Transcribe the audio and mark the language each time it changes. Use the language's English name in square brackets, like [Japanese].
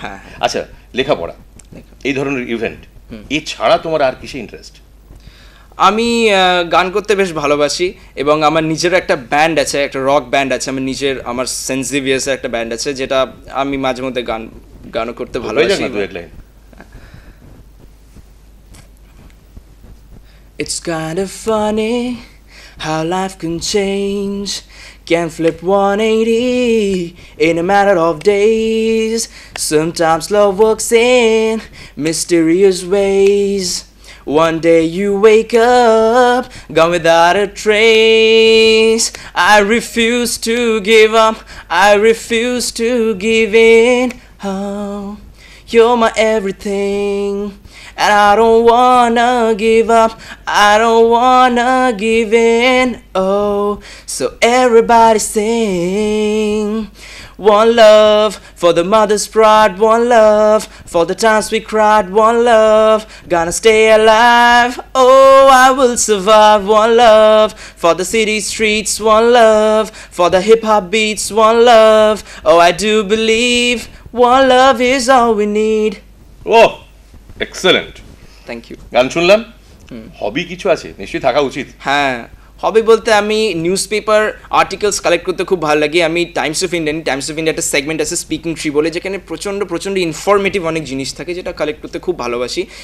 [Bangla] হ্যাঁ আচ্ছা, লেখাপড়া এই ধরনের ইভেন্ট এছাড়া তোমার আর কিসে ইন্টারেস্ট? আমি গান করতে বেশ ভালোবাসি এবং আমার নিজের একটা ব্যান্ড আছে, একটা রক ব্যান্ড আছে আমার নিজের, আমার সেন্সিভিয়াস একটা ব্যান্ড আছে যেটা আমি মাঝে মধ্যে গানও করতে ভালোবাসি। [English] It's kind of funny how life can change, can flip 180 in a matter of days. Sometimes love works in mysterious ways. One day you wake up, gone without a trace. I refuse to give up, I refuse to give in. Oh, you're my everything. And I don't wanna give up, I don't wanna give in, oh. So everybody sing. One love for the mother's pride, one love for the times we cried, one love gonna stay alive, oh I will survive, one love for the city streets, one love for the hip hop beats, one love, oh I do believe, one love is all we need. Whoa. Excellent. Thank you. [Bangla] গান শুনলাম, হবি কিছু আছে, নিশ্চয়ই থাকা উচিত। হ্যাঁ, হবি বলতে আমি নিউজপেপার আর্টিকেলস কালেক্ট করতে খুব ভালো লাগে। আমি Times of India, Times of India একটা সেগমেন্ট আছে স্পিকিং ট্রি বলে, যেখানে প্রচণ্ড প্রচণ্ড ইনফরমেটিভ অনেক জিনিস থাকে যেটা কালেক্ট করতে খুব ভালোবাসি।